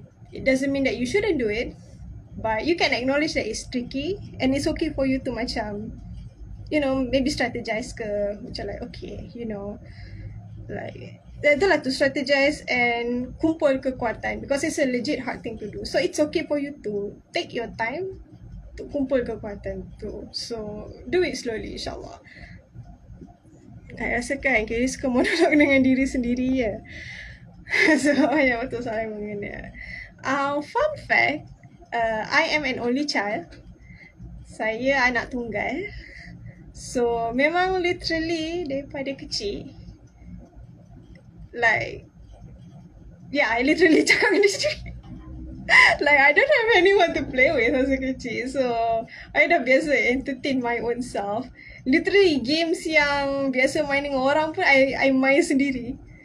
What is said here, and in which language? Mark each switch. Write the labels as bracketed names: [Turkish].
[English] It doesn't mean that you shouldn't do it, but you can acknowledge that it's tricky and it's okay for you to macam, you know, maybe strategize ke, macam like, okay, you know, like, itulah to strategize and [Malay] kumpul kekuatan, [English] because it's a legit hard thing to do. So it's okay for you to take your time to [Malay] kumpul kekuatan tu. [English] So do it slowly, insyaAllah. [Malay] Tak rasa kan, kita suka monolog dengan diri sendiri, ya. [English] So [Malay] banyak betul soalan mengenai. [English] Fun fact, I am an only child. [Malay] Saya anak tunggal. So memang literally daripada kecil, like, yeah, I literally cakap dengan diri sendiri. [English] Like, I don't have anyone to play with as a [Malay] kecil. [English] So I [Malay] dah biasa [English] entertain my own self. [Malay] Literally games yang biasa main dengan orang pun I main sendiri.